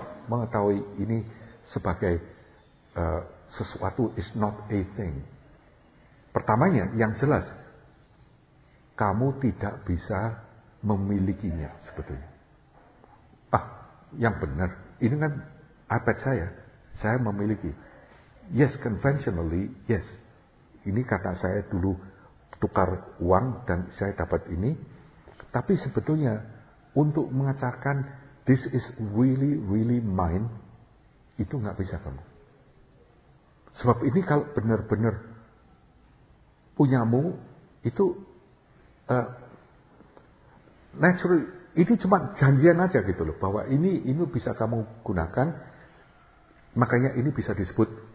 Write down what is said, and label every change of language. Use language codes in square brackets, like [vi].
[id] Mengetahui ini sebagai sesuatu [en] is not a thing. [id] Pertamanya yang jelas kamu tidak bisa memilikinya sebetulnya. Ah, yang benar. Ini kan iPad saya memiliki. [en] Yes, conventionally, yes. [id] Ini kata saya dulu tukar uang dan saya dapat ini. Tapi sebetulnya untuk mengatakan [en] this is really, really mine, [id] itu enggak bisa kamu. Sebab ini kalau benar-benar punyamu, itu naturally, ini cuma janjian aja gitu loh, bahwa ini bisa kamu gunakan. Makanya ini bisa disebut